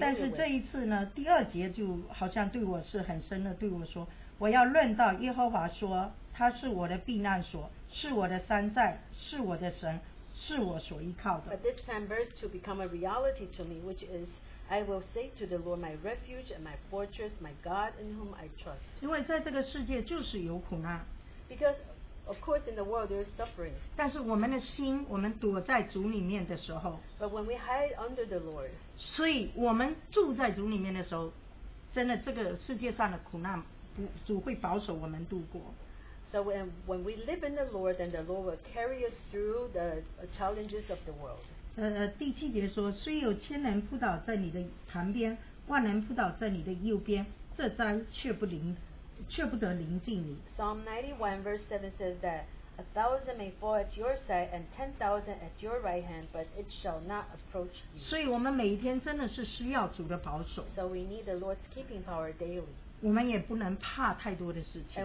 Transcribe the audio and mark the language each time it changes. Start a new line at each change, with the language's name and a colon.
Chinese: 但是这一次呢，第二节就好像对我是很深的，对我说，我要论到耶和华说，他是我的避难所，是我的山寨，是我的神，是我所依靠的。
English: But this time verse to become a reality to me, which is. I will say to the Lord, my refuge and my fortress, my God in whom I trust.
Chinese: 因为在这个世界就是有苦难。
English: Because, of course, in the world there is suffering.
Chinese: 但是我们的心，我们躲在主里面的时候。
English: But when we hide under the Lord.
Chinese: 所以我们住在主里面的时候，真的这个世界上的苦难，主会保守我们度过。
English: So when we live in the Lord, then the Lord will carry us through the challenges of the world.
Chinese: 第七节说，虽有千人扑倒在你的旁边，万人扑倒在你的右边，这灾却不得临近你。
English: Psalm 91 verse 7 says that a thousand may fall at your side and 10,000 at your right hand, but it shall not approach you.
Chinese: 所以我们每一天真的是需要主的保守。
English: So we need the Lord's keeping power daily.
Chinese: 我们也不能怕太多的事情。